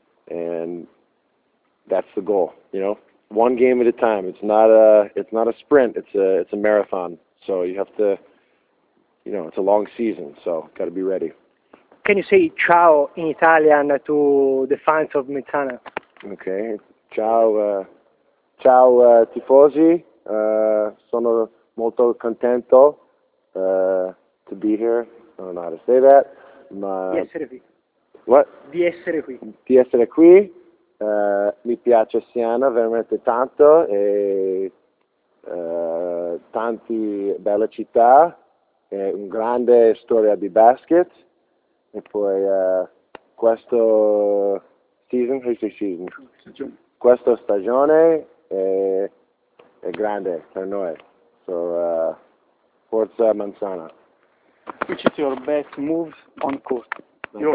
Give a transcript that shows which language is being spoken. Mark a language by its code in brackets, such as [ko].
[en] and that's the goal, you know, one game at a time. It's not a sprint, it's a marathon, so you have to, you know, it's a long season, so got to be ready. Can you say ciao in Italian to the fans of Mezzana? [it] Okay, ciao tifosi, sono molto contento [en] to be here. I don't know how to say that. [it] Di essere qui. Mi piace Siena veramente tanto e tanti belle città e un grande storia di basket. E poi questo [en] season, how do you say season? [it] Stagione. Questa stagione è grande per noi. So forza Mezzana. [en] Which is your best move on court? Your